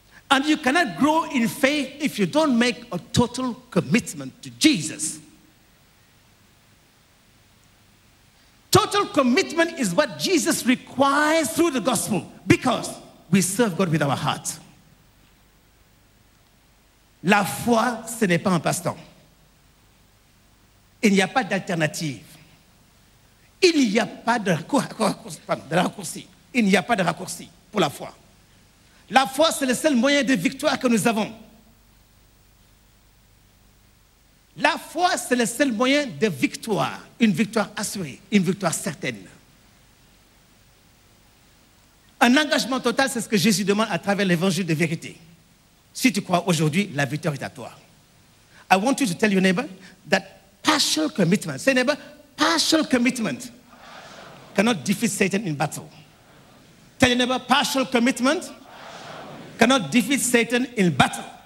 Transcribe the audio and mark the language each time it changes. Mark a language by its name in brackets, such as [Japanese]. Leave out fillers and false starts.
[English] And you cannot grow in faith if you don't make a total commitment to Jesus. Total commitment is what Jesus requires through the gospel because we serve God with our heart. [French] La foi, ce n'est pas un passe-temps. Il n'y a pas d'alternative. Il n'y a pas de raccourci. Il n'y a pas de raccourci pour la foi. La foi, c'est le seul moyen de victoire que nous avons. La foi, c'est le seul moyen de victoire, une victoire assurée, une victoire certaine. Un engagement total, c'est ce que Jésus demande à travers l'évangile de vérité. Si tu crois aujourd'hui, la victoire est à toi. [English] I want you to tell your neighbor that partial commitment, say neighbor, partial commitment cannot defeat Satan in battle. Tell your neighbor, partial commitment cannot defeat Satan in battle.